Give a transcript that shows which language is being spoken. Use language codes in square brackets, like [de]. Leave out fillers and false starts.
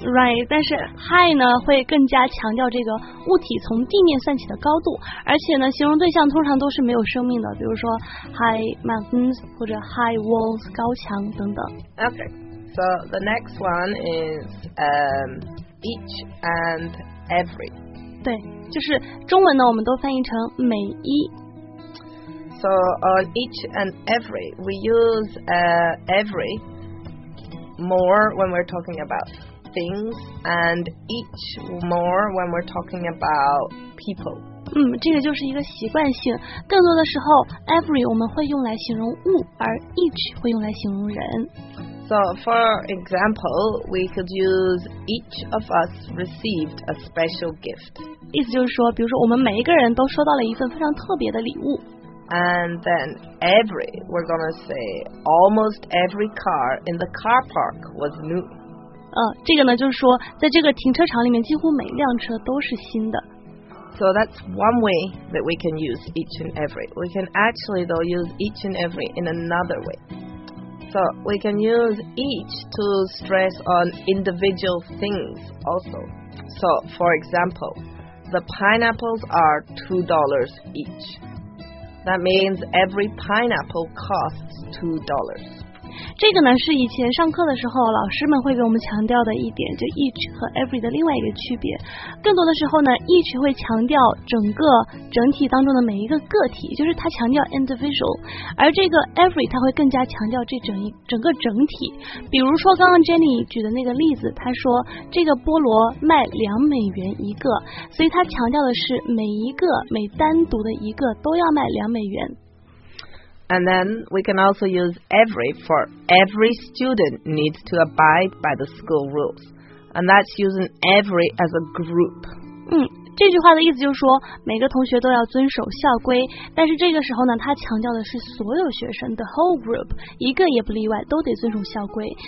[zh] Right, 但是 high 呢会更加强调这个物体从地面算起的高度，而且呢形容对象通常都是没有生命的，比如说 [en] high mountains [zh] 或者 [en] high walls, [zh] 高墙等等。 [en] OK, so the next one is, Each and every. [zh] 对，就是中文呢，我们都翻译成每一。 [en] So on each and every, we use every more when we're talking about things, and each more when we're talking about people. [zh] 这个就是一个习惯性。更多的时候 ，every 我们会用来形容物，而 each 会用来形容人。 [en] So, for example, we could use each of us received a special gift. [zh] 意思就是说，比如说我们每一个人都收到了一份非常特别的礼物。 [en] And then every, we're gonna say almost every car in the car park was new. [zh] 这个呢就是说，在这个停车场里面几乎每辆车都是新的。 [en] So that's one way that we can use each and every. We can actually though use each and every in another way. So we can use each to stress on individual things also. So, for example, the pineapples are $2 each. That means every pineapple costs $2. [zh] 这个呢是以前上课的时候老师们会给我们强调的一点，就 each 和 every 的另外一个区别。更多的时候呢 ，each 会强调整个整体当中的每一个个体，就是它强调 individual， 而这个 every 它会更加强调这整个整体。比如说刚刚 Jenny 举的那个例子，她说这个菠萝卖$2一个，所以它强调的是每单独的一个都要卖$2。 [en] And then we can also use every for every student needs to abide by the school rules. And that's using every as a group. [zh] 这句话的意思就是说每个同学都要遵守校规，但是这个时候呢它强调的是所有学生 [en] the whole group, [zh] 一个也不例外都得遵守校规。